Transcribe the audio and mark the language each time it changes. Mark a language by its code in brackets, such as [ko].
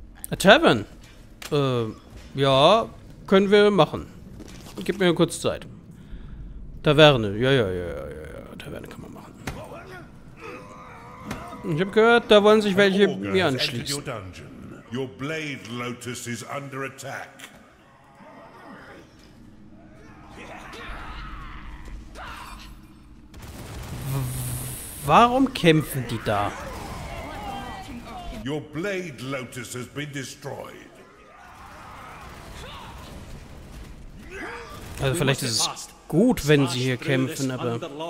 [en] A Tavern. [de] Ja, können wir machen. Gib mir kurz Zeit. Taverne. Ja. Taverne kann man machen. Ich habe gehört, da wollen sich welche mir anschließen. [en] Your blade, Lotus, is under attack. [de] Warum kämpfen die da? [en] Your blade, Lotus, has been destroyed. [de] Also vielleicht ist es gut, wenn sie hier kämpfen, aber...